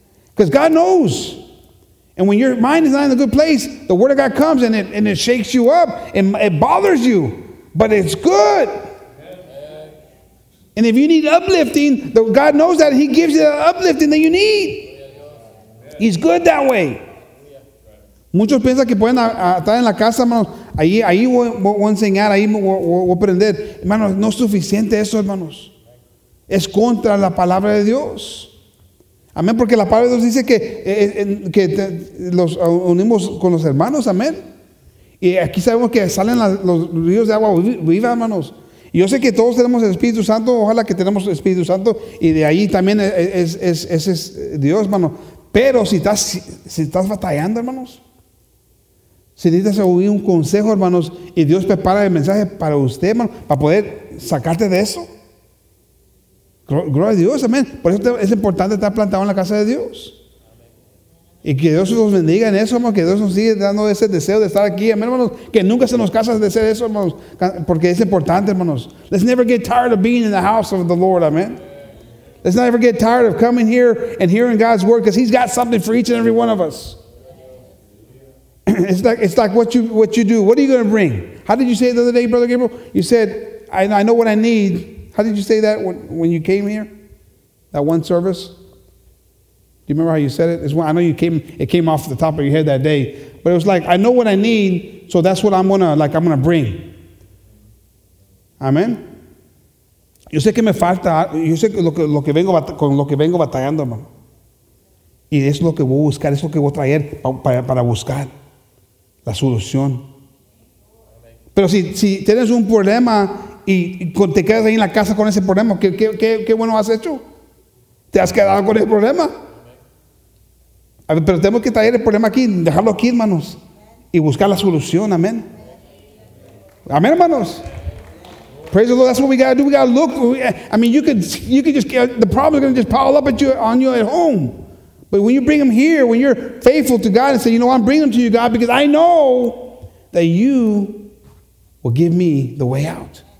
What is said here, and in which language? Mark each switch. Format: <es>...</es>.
<en>Because God knows. And when your mind is not in a good place, the word of God comes and it shakes you up and it bothers you. But it's good. And if you need uplifting, God knows that. He gives you the uplifting that you need. He's good that way.</en> <es>Muchos piensan que pueden estar en la casa, hermanos. Ahí voy a enseñar, ahí voy a aprender. Hermanos, no es suficiente eso, hermanos. Es contra la palabra de Dios. Amén, porque la palabra de Dios dice que los unimos con los hermanos, amén. Y aquí sabemos que salen los ríos de agua viva, hermanos. Yo sé que todos tenemos el Espíritu Santo, ojalá que tenemos el Espíritu Santo, y de ahí también es Dios, hermano. Pero si estás batallando, hermanos, si necesitas oír un consejo, hermanos, y Dios prepara el mensaje para usted, hermano, para poder sacarte de eso. Gloria a Dios, amén. Por eso es importante estar plantado en la casa de Dios. Y que Dios nos bendiga en eso, hermano, que Dios nos sigue dando ese deseo de estar aquí, amén, hermanos, que nunca se nos cansa de hacer eso, hermanos, porque es importante, hermanos.</es> <en>Let's never get tired of being in the house of the Lord, amén. Let's never get tired of coming here and hearing God's word, because He's got something for each and every one of us. It's like what you do. What are you going to bring? How did you say it the other day, Brother Gabriel? You said, I know what I need. How did you say that when you came here? That one service? Do you remember how you said it? I know you came. It came off the top of your head that day, but it was like, I know what I need, so that's what I'm gonna bring.</en> <es>Amen. Yo sé que me falta. Yo sé lo que vengo con lo que vengo batallando, hermano. Y es lo que voy a buscar. Es lo que voy a traer para buscar la solución. Pero si tienes un problema y te quedas ahí en la casa con ese problema, ¿qué bueno has hecho? Te has quedado con el problema. Pero tenemos que traer el problema aquí, dejarlo aquí, hermanos, y buscar la solución, amén. Amén, hermanos.</es> <en>Praise the Lord, that's what we got to do. We got to look. The problem is going to just pile up on you at home. But when you bring them here, when you're faithful to God and say, you know, I'm bringing them to you, God, because I know that you will give me the way out.</en>